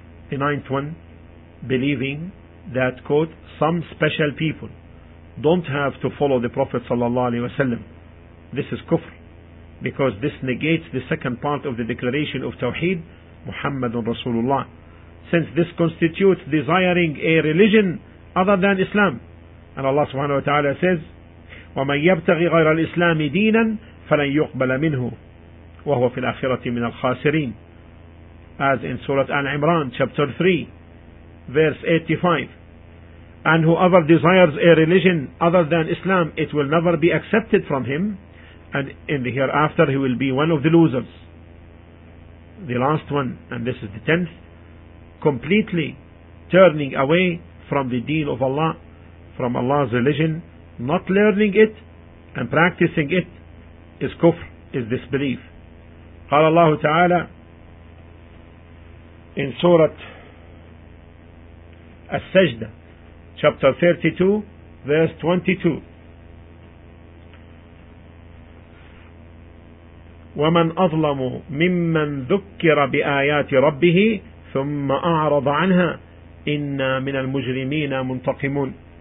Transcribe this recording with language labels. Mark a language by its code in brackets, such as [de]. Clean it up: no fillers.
[en] The ninth one, believing that, quote, some special people don't have to follow the Prophet sallallahu alaihi wasallam. This is kufr, because this negates the second part of the declaration of Tawheed, Muhammadun Rasulullah, since this constitutes desiring a religion other than Islam. And Allah subhanahu wa ta'ala says, [ar] وَمَنْ يَبْتَغِ غَيْرَ الْإِسْلَامِ دِينًا فَلَنْ يُقْبَلَ مِنْهُ وَهُوَ فِي الْآخِرَةِ مِنَ الْخَاسِرِينَ. [en] As in Surah Al-Imran chapter 3 verse 85, and whoever desires a religion other than Islam, it will never be accepted from him, and in the hereafter he will be one of the losers. The last one, and this is the tenth, completely turning away from the deen of Allah, from Allah's religion, not learning it and practicing it, is kufr, is disbelief. [ar] قال الله تعالى [en] in Surah As-Sajda chapter 32 verse 22, [ar] وَمَنْ أَظْلَمُ مِمَّنْ ذُكِّرَ بِآيَاتِ رَبِّهِ ثُمَّ أَعْرَضَ عَنْهَا إِنَّا مِنَ الْمُجْرِمِينَ مُنْتَقِمُونَ.